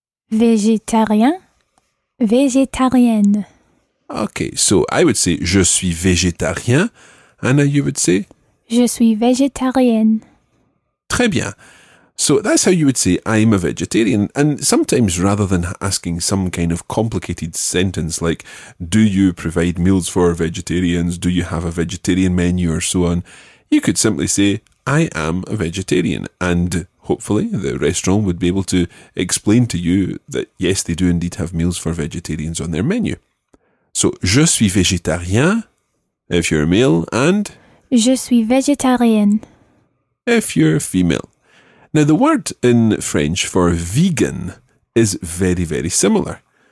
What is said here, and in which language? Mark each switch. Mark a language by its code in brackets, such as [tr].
[fr] Végétarien, végétarienne. [en] Okay, so I would say [fr] je suis végétarien. [en] Anna, you would say? [fr] Je suis végétarienne. Très bien. [en] So that's how you would say I'm a vegetarian. And sometimes rather than asking some kind of complicated sentence like do you provide meals for vegetarians, do you have a vegetarian menu or so on, you could simply say I am a vegetarian, and hopefully the restaurant would be able to explain to you that yes, they do indeed have meals for vegetarians on their menu. So, [fr] je suis végétarien, [en] if you're a male, and [fr] je suis végétarienne, [en] if you're female. Now, the word in French for vegan is very, very similar.